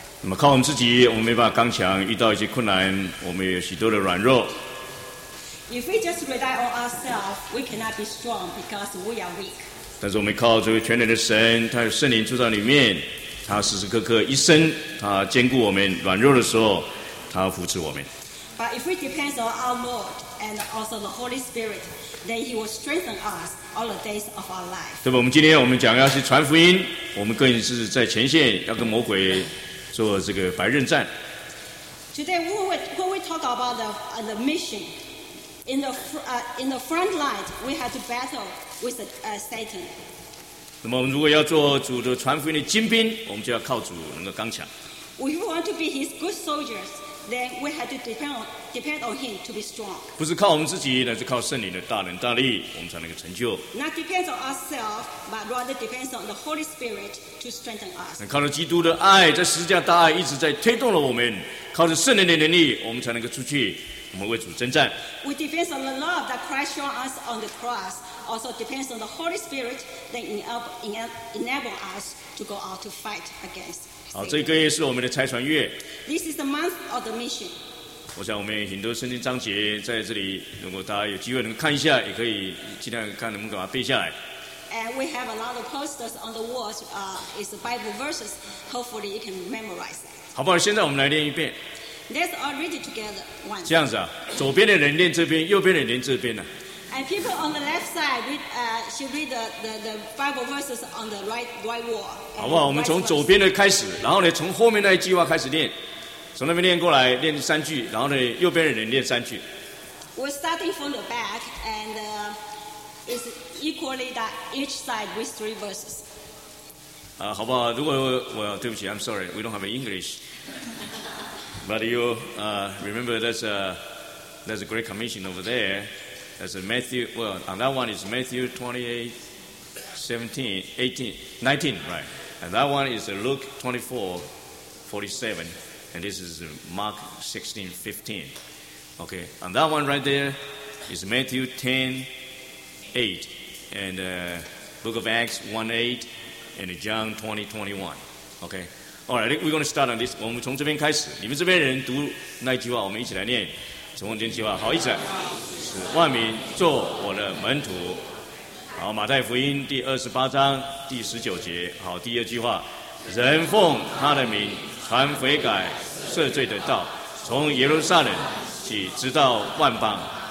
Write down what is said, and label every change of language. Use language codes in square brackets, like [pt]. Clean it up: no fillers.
[zh] 那么靠我们自己，我们没办法刚强。遇到一些困难，我们也有许多的软弱。 [en] If we just rely on ourselves, we cannot be strong because we are weak. [zh] 但是我们靠这位全能的神，他有圣灵住在里面，他时时刻刻一生，他坚固我们软弱的时候，他扶持我们。 [en] But if we depend on our Lord and also the Holy Spirit, then He will strengthen us all the days of our life. [zh] 对吧？我们今天我们讲要去传福音，我们更是在前线要跟魔鬼做这个白刃战。 [en] Today when we talk about the mission in the front line, we have to battle with Satan. [zh] 那么我们如果要做主的传福音的精兵，我们就要靠主能够刚强。 [en] If we want to be His good soldiers, then we have to depend on Him to be strong. [zh] 不是靠我们自己，乃是靠圣灵的大能大力，我们才能够成就。 [en] Not depends on ourselves, but rather depends on the Holy Spirit to strengthen us. [zh] 能靠着基督的爱，在十字架大爱一直在推动了我们，靠着圣灵的能力，我们才能够出去，我们为主征战。 [en] We depend on the love that Christ showed us on the cross. Also depends on the Holy Spirit that enable us to go out to fight against. [zh] 好，这个月是我们的拆船月。 [en] This is the month of the mission. [zh] 我想我们很多圣经章节在这里，如果大家有机会能看一下，也可以尽量看能不能把它背下来。 [en] And we have a lot of posters on the walls. It's the Bible verses. Hopefully, you can memorize that. [zh] 好不好？现在我们来练一遍。 [en] Let's all read it together once. [zh] 这样子啊，左边的人练这边，右边的人练这边呢、啊。 [en] And people on the left side should read the Bible verses on the right wall. [zh] 好不好？我们从左边的开始，然后呢，从后面那一句话开始念，从那边念过来，念三句，然后呢，右边的人念三句。 [en] We're starting from the back, and it's equally that each side with three verses. [zh] 啊，好不好？如果我对不起 [en] ，I'm sorry, we don't have English. But you remember that's a great commission over there. That's Matthew, well, on that one is Matthew 28:19, right? And that one is Luke 24:47, and this is Mark 16:15. Okay, and that one right there is Matthew 10:8, and Book of Acts 1:8, and John 20:21. Okay, all right, we're going to start on this. [zh] 我们从这边开始，你们这边人读那句话，我们一起来念。从今天起吧，好，一起。使万民做我的门徒。好，马太福音第28:19，好，第二句话，人奉他的名传悔改赦罪的道，从耶路撒冷起直到万邦。